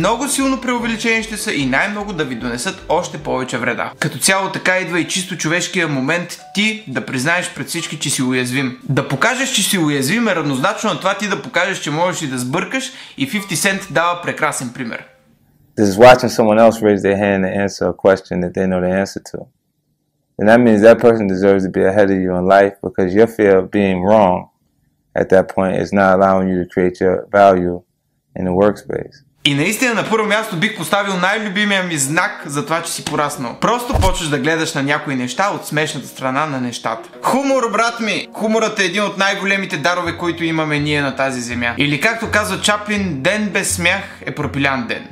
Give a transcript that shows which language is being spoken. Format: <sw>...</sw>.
<bg>Много силно преувеличени ще са и най-много да ви донесат още повече вреда. Като цяло така идва и чисто човешкия момент ти да признаеш пред всички, че си уязвим. Да покажеш, че си уязвим е равнозначно на това ти да покажеш, че можеш и да сбъркаш, и 50 Cent дава прекрасен пример.</bg> <en>This is watching someone else raise their hand and answer a question that they know the answer to. And that means that person deserves to be ahead of you in life because your fear of being wrong at that point is not allowing you to create your value in the workspace.</en> <bg>И наистина на първо място бих поставил най-любимия ми знак за това, че си пораснал. Просто почваш да гледаш на някои неща от смешната страна на нещата. Хумор, брат ми! Хуморът е един от най-големите дарове, които имаме ние на тази земя. Или както казва Чаплин, ден без смях е пропилян ден.</bg>